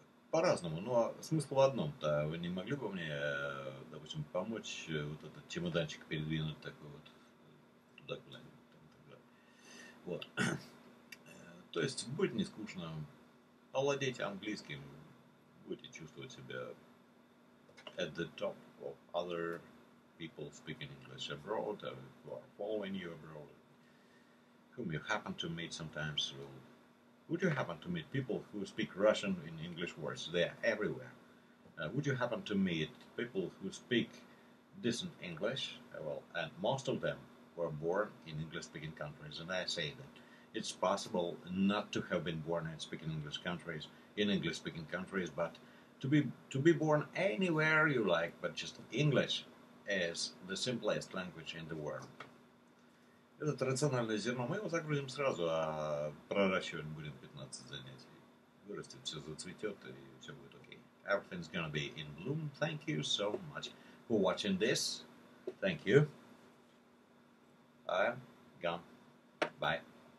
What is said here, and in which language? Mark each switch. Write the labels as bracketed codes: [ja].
[ru] По-разному, но смысл в одном-то. Вы не могли бы мне, допустим, помочь вот этот чемоданчик передвинуть такой вот туда, куда-нибудь, там, и так далее. Вот. То есть, будет не скучно. Овладейте английским. Будете чувствовать себя [en] at the top of other people speaking English abroad, or who are following you abroad, whom you happen to meet sometimes will... Would you happen to meet people who speak Russian in English words? They are everywhere. Would you happen to meet people who speak decent English? Well, and most of them were born in English-speaking countries. And I say that it's possible not to have been born in speaking English countries, in English-speaking countries, but to be born anywhere you like, but just English is the simplest language in the world. [ru] Это рациональное зерно. Мы его загрузим сразу, а проращивать будем 15 занятий. Вырастет, все зацветет, и все будет окей. [en] Everything's gonna be in bloom. Thank you so much for watching this. Thank you. I'm gone. Bye.